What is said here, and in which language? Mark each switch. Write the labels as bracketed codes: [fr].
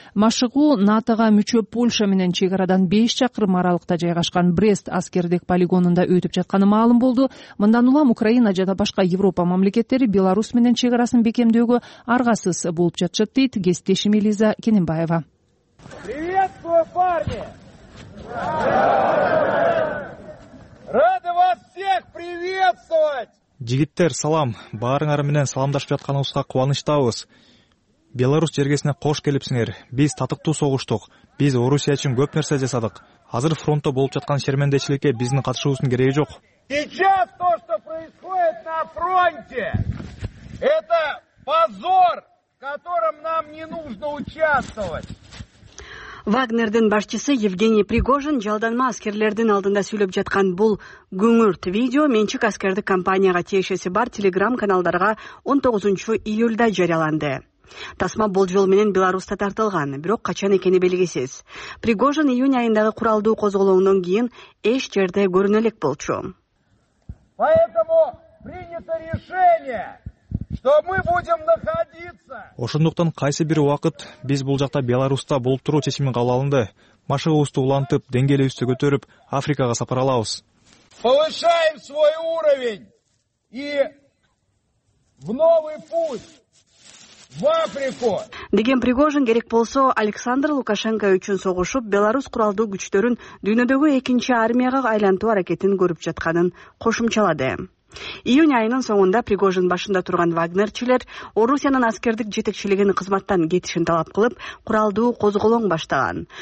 [ky] Машыгуу НАТОга мүчө Польша менен чек арадан 5 чакырым аралыкта жайгашкан Брест аскердик полигонунда өтүп жатканы маалым болду. Мындан улам Украина жана башка Европа мамлекеттери Беларусь менен чек арасын бекемдөөгө аргасыз болуп жатышат, дейт кесиптешим Элиза Кененбаева. [ru] Приветствую, парни! Рады вас всех приветствовать! [ky] Жигиттер, салам! Баарыңар менен саламдашып жатканыбызга кубанычтабыз. Беларусь жергесине кош келипсиңер. Биз татыктуу согуштук. Биз Орусия үчүн көп нерсе жасадык. Азыр фронтто болуп жаткан шермендечиликке биздин катышуубуздун кереги жок. [ru] Сейчас то, что происходит на фронте, это позор, в котором нам не нужно участвовать. [ky] Вагнердин башчысы Евгений Пригожин жалданма аскерлердин алдында сүйлөп жаткан бул күңүрт видео менчик аскердик компанияга тиешеси бар телеграм каналдарга 19-июлда жарыяланды. Тасма болжол менен Беларусьта тартылган, бирок качан экени белгисиз. Пригожин июнь айындагы куралдуу козголоондон кийин эч жерде көрүнө элек болчу. [ru] Поэтому принято решение, что мы будем находиться. [ky] Ошондуктан кайсы бир убакыт биз бул жакта Беларусьта болуп туруу чечими кабыл алынды. Машыгыбызды улантып, деңгээлибизди көтөрүп, Африкага сапар алабыз. [ru] Повышаем свой уровень и в новый путь в Африку. [ky] Деген Пригожин керек болсо Александр Лукашенко үчүн согушуп, Беларусь куралдуу күчтөрүн дүйнөдөгү экинчи армияга айлантуу аракетин көрүп жатканын кошумчалады. Июнь айынын соңунда Пригожин башында турган Вагнерчилер Орусиянын аскердик жетекчилигин кызматтан кетишин талап кылып, куралдуу козголоң баштаган.